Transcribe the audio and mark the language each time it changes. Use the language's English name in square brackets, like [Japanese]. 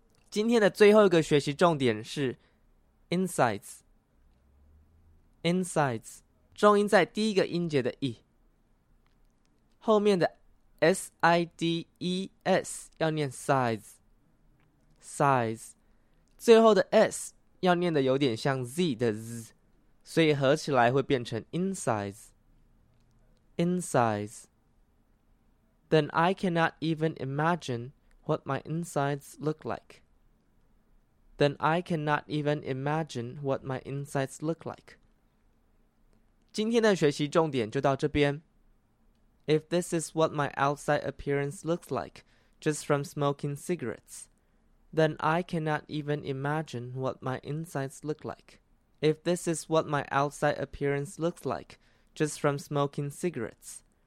[Chinese] 今天的最后一个学习重点是 insides insides， 重音在第一个音节的 e， 后面的 sides 要念 size size， 最后的 s 要念的有点像 z 的 z， 所以合起来会变成 insides insides。 [English] Then I cannot even imagine what my insides look likeThen I cannot even imagine what my insides look like. [Chinese] 今天的学习重点就到这边。 [English] If this is what my outside appearance looks like, just from smoking cigarettes, then I cannot even imagine what my insides look like. If this is what my outside appearance looks like, just from smoking cigarettes,